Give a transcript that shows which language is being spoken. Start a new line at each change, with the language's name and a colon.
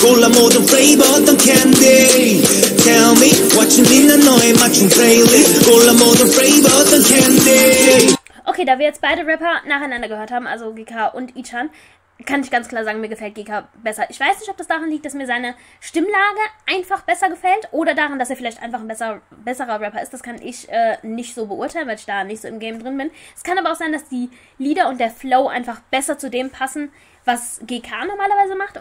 Korean: 골라 모든 flavor 어떤 candy.
English: Tell me what you need in
Korean: 너의 맞춤
English: playlist.
Korean: 골라 모든 flavor 어떤 candy.
German: Okay, da wir jetzt beide Rapper nacheinander gehört haben, also GK und Ichan, kann ich ganz klar sagen, mir gefällt GK besser. Ich weiß nicht, ob das daran liegt, dass mir seine Stimmlage einfach besser gefällt oder daran, dass er vielleicht einfach ein besserer Rapper ist. Das kann ich nicht so beurteilen, weil ich da nicht so im Game drin bin. Es kann aber auch sein, dass die Lieder und der Flow einfach besser zu dem passen, was GK normalerweise macht.